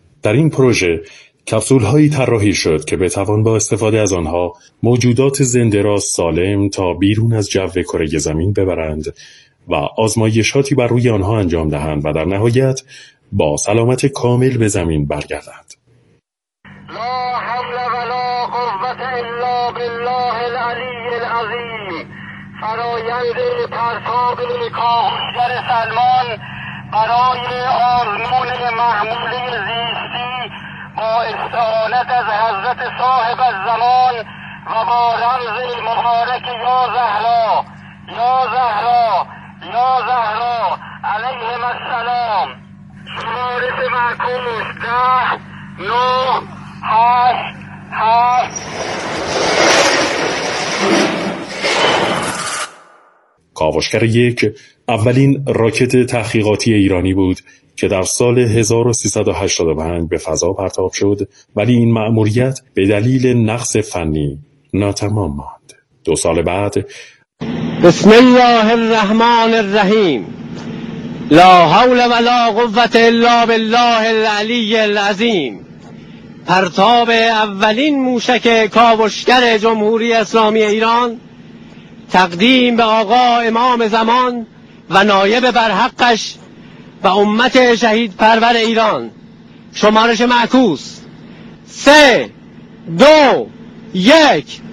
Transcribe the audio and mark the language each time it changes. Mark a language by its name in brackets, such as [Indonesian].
[Persian] در این پروژه کپسول‌هایی طراحی شد که بتوان با استفاده از آنها موجودات زنده را سالم تا بیرون از جو کره زمین ببرند و آزمایشاتی بر روی آنها انجام دهند و در نهایت با سلامت کامل به زمین برگردند. [Arabic] لا حول ولا قوت الا بالله العلی العظیم. [Persian] فرایند پرتاب کاوشگر سلمان برای آزمون محموله زیستی با استعانت از حضرت صاحب الزمان و با رمز مبارک یا زهرا یا زهرا یا زهرا علیهم السلام. شمارت معکوش 10 9 8 8. کاوشگر 1 اولین راکت تحقیقاتی ایرانی بود که در سال 1385 به فضا پرتاب شد، ولی این مأموریت به دلیل نقص فنی ناتمام ماند. 2 سال بعد [Arabic] بسم الله الرحمن الرحیم. لا حول ولا قوت الا بالله العلی العظیم. [Persian] پرتاب اولین موشک کاوشگر جمهوری اسلامی ایران تقدیم به آقا امام زمان و نایب برحقش و امت شهید پرور ایران. شمارش معکوس 3 2 1.